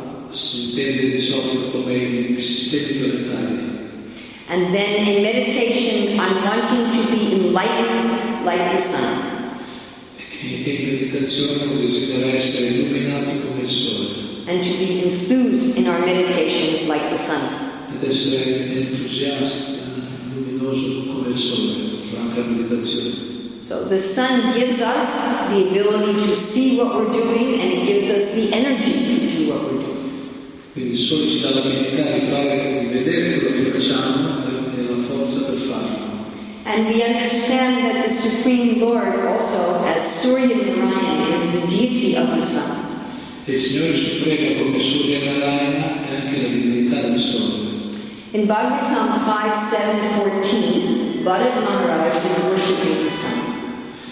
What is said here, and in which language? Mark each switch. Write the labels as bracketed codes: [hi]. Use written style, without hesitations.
[it] si intende di solito come il sistema planetario. [en] And then in meditation on wanting to be enlightened like the sun. [it] E in meditazione desidera essere illuminato come il sole. [en] And to be enthused in our meditation like the sun. [it] Ed essere entusiasta, luminoso come il sole durante la meditazione. [en] So the sun gives us the ability to see what we're doing, and it gives us the energy to do what we're doing. [it] Quindi il sole ci dà l'abilità di fare, di vedere quello che facciamo, e la forza per farlo. [en] And we understand that the Supreme Lord also, as Surya Narayan, is the deity of the sun. [it] E il Signore Supremo come Surya Narayana è anche la divinità del sole. [en] In Bhagavatam 5.7.14, Bharat Maharaj is worshipping the sun.